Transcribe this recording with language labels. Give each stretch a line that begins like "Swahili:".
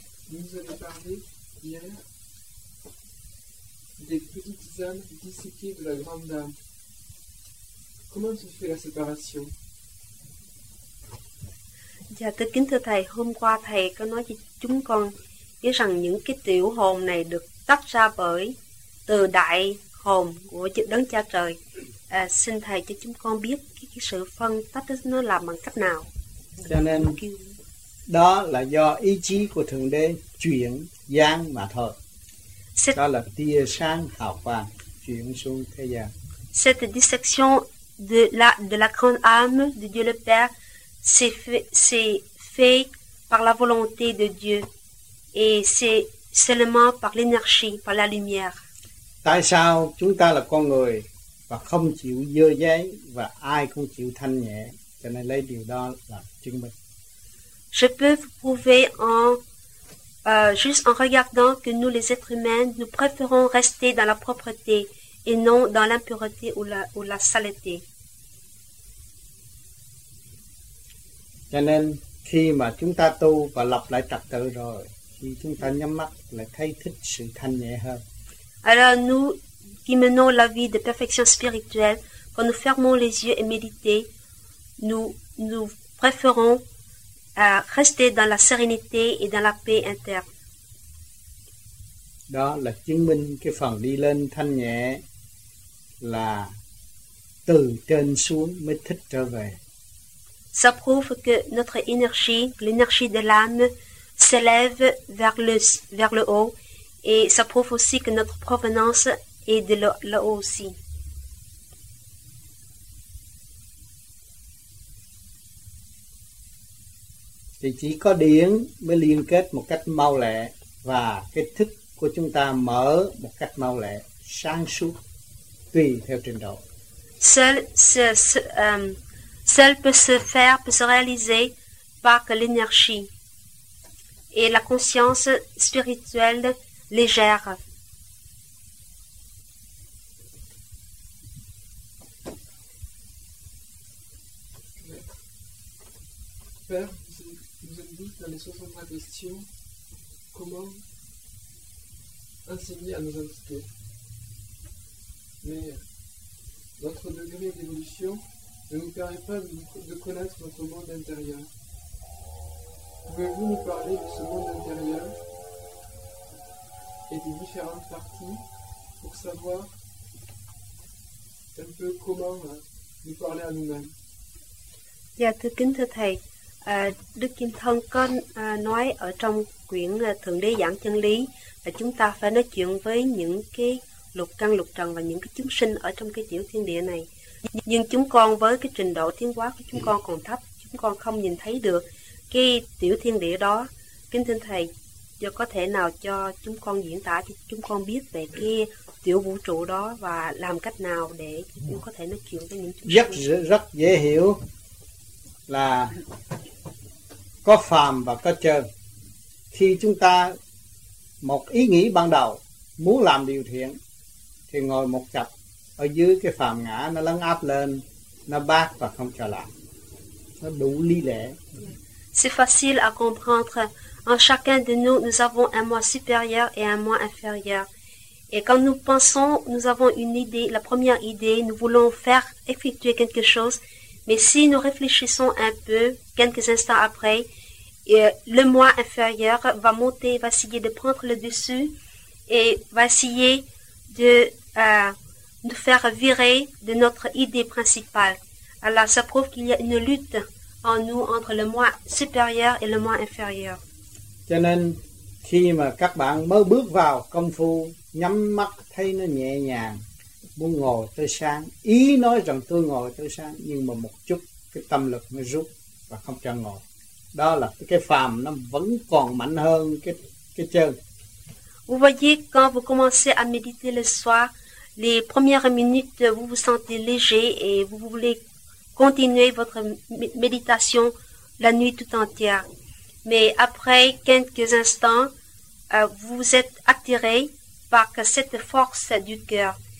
French: Nous avons parlé hier des petites âmes disséquées de la grande âme. Comment se fait la séparation?
Vietnamese: Dạ, thưa kính thưa thầy, hôm qua thầy có nói cho chúng con biết rằng những cái tiểu hồn này được tách ra bởi từ đại hồn của chữ Đấng Cha Trời. À, xin thầy cho chúng con biết cái sự phân tách nó là bằng cách nào. Cho nên đó là do ý chí của Thượng Đế chuyển gian mà thôi. Đó là tia sáng hào quang chuyển xuống thế gian.
French: Cette distinction de la grande âme de Dieu le Père c'est fait par la volonté de Dieu et c'est seulement par l'énergie, par la lumière.
Vietnamese: Tại sao chúng ta là con người và không chịu dơ dáy và ai cũng chịu thanh nhẹ, cho nên lấy điều đó là chứng minh.
French: Je peux vous prouver juste en regardant que nous les êtres humains nous préférons rester dans la propreté et non dans l'impureté ou la saleté.
Vietnamese: Cho nên khi mà chúng ta tu và lập lại trật tự rồi thì chúng ta nhắm mắt lại thấy thích sự thanh nhẹ hơn.
French: Alors nous qui menons la vie de perfection spirituelle, quand nous fermons les yeux et méditons, nous préférons rester dans la sérénité et dans la paix interne.
Vietnamese: Đó là chứng minh cái phần đi lên thanh nhẹ là từ trên xuống mới thích trở về.
French: Ça prouve que notre énergie, l'énergie de l'âme, s'élève vers le haut et ça prouve aussi que notre provenance est de le haut aussi.
Vietnamese: Thì chỉ có điển mới liên kết một cách mau lẹ và cái thức của chúng ta mở một cách mau lẹ, sáng suốt, tùy theo trình độ.
French: Seul peut se faire, peut se réaliser par l'énergie et la conscience spirituelle légère. Père, vous avez dit dans les 63 questions, comment enseigner à nos invités. Mais votre degré d'évolution ne nous permet pas de connaître notre monde intérieur. Pouvez-vous nous parler de ce monde intérieur et des différentes parties pour savoir un peu comment nous parler à nous-mêmes?
Vietnamese: Dạ, thưa kính thưa thầy, Đức Kim Thân có nói ở trong quyển Thượng Đế Giảng Chân Lý là chúng ta phải nói chuyện với những cái lục căn lục trần và những cái chúng sinh ở trong cái tiểu thiên địa này. Nhưng chúng con với cái trình độ tiến hóa của chúng con còn thấp, chúng con không nhìn thấy được cái tiểu thiên địa đó. Kính thưa thầy, giờ có thể nào cho chúng con diễn tả cho chúng con biết về cái tiểu vũ trụ đó và làm cách nào để chúng có thể nói chuyện với những chúng rất sinh? Rất dễ hiểu là có phàm và có trần. Khi chúng ta một ý nghĩ ban đầu muốn làm điều thiện thì ngồi một chập ở dưới cái phàm ngã, nó lấn áp lên, nó bác và không cho làm, nó đủ lý lẽ.
French: C'est facile à comprendre. En chacun de nous, nous avons un moi supérieur et un moi inférieur. Et quand nous pensons, nous avons une idée, la première idée, nous voulons faire effectuer quelque chose. Mais si nous réfléchissons un peu, quelques instants après, et le moi inférieur va monter, va essayer de prendre le dessus et va essayer de nous faire virer de notre idée principale. Alors, ça prouve qu'il y a une lutte en nous entre le moi supérieur et le moi inférieur.
Vietnamese: Cho nên, khi mà các bạn mới bước vào công phu, nhắm mắt thấy nó nhẹ nhàng, muốn ngồi tới sáng, ý nói rằng tôi ngồi tới sáng, nhưng mà một chút cái tâm lực nó rút và không cho ngồi. Đó là cái phàm nó vẫn còn mạnh hơn cái chân.
French: Vous voyez, quand vous commencez à méditer le soir, les premières minutes, vous vous sentez léger et vous voulez continuer votre méditation la nuit tout entière. Mais après quelques instants, vous êtes attiré par cette force du cœur.